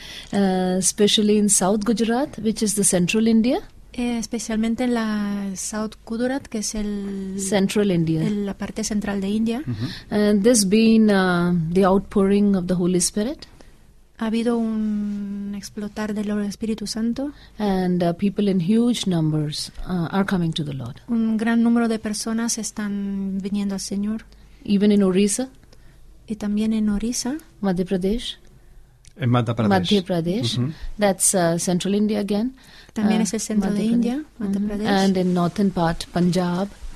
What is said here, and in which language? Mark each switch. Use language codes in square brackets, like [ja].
[en] Especially in South Gujarat, which is the central India. [es] Especialmente en la South Gujarat, que es el [en] central India, [es] la parte central de India. [en] And this being the outpouring of the Holy Spirit. [es] Ha habido un explotar del Espíritu Santo. [en] And people in huge numbers are coming to the Lord. [es] Un gran número de personas están viniendo al Señor. [en] Even in Orissa. [es] Y también en Orissa. [en] Madhya Pradesh. [es] En [en] Madhya Pradesh. That's central India again. [es] También es el centro de India, Madhya Pradesh. [en] And in northern part, Punjab.